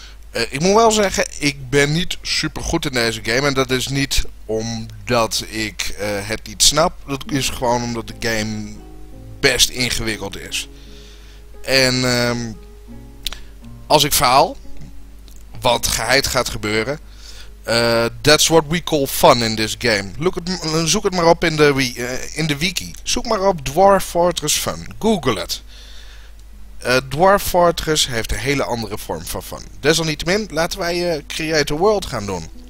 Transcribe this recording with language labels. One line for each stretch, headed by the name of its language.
Dutch: Ik moet wel zeggen, ik ben niet super goed in deze game. En dat is niet omdat ik het niet snap. Dat is gewoon omdat de game best ingewikkeld is. En als ik faal, wat geheid gaat gebeuren.
English: That's what we call fun in this game.
Dutch: Zoek het maar op in de wiki. Zoek maar op Dwarf Fortress Fun. Google het. Dwarf Fortress heeft een hele andere vorm van fun. Desalniettemin, laten wij Create a World gaan doen.